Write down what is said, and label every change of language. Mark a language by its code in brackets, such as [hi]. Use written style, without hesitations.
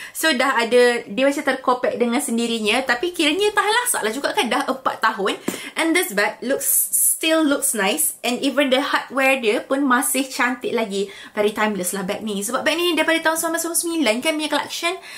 [ms] So dah ada, dia macam terkopek dengan sendirinya. Tapi kiranya tahlah, salah juga kan, dah 4 tahun. [en] And this bag still looks nice. And even the hardware [ms] dia pun masih cantik lagi. [en] Very timeless [ms] lah bag ni. Sebab bag ni daripada tahun 1999 kan punya collection.